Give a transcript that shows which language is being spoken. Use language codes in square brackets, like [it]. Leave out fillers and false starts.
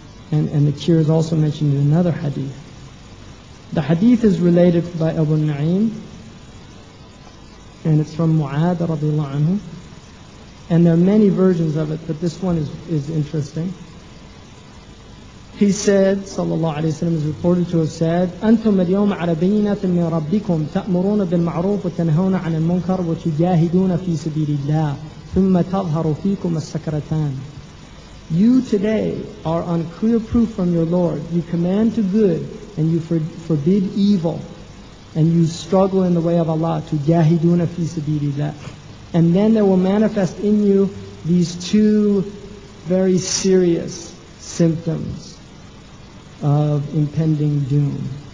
[en] And the cure is also mentioned in another hadith. The hadith is related by Abu Na'im, and it's from Mu'adh radiallahu anhu. And there are many versions of it, but this one is interesting. He said, sallallahu alayhi wa sallam, is reported to have said, [ar] أَنْتُمَ الْيَوْمَ عَلَى بَيِّنَةٍ مِّن رَبِّكُمْ تَأْمُرُونَ بِالْمَعْرُوفِ وَتَنْهَوْنَ عَنِ الْمُنْكَرِ وَتُجَاهِدُونَ فِي سَبِيلِ اللَّهِ ثُمَّ تَظْهَرُ فِيكُمْ السَّكْرَتَانِ. [en] You today are on clear proof from your Lord. You command to good and you forbid evil. And you struggle in the way of Allah. [ar] تُجَاهِدُونَ فِي سَبِيلِ اللَّهِ. [en] And then there will manifest in you these two very serious symptoms of impending doom.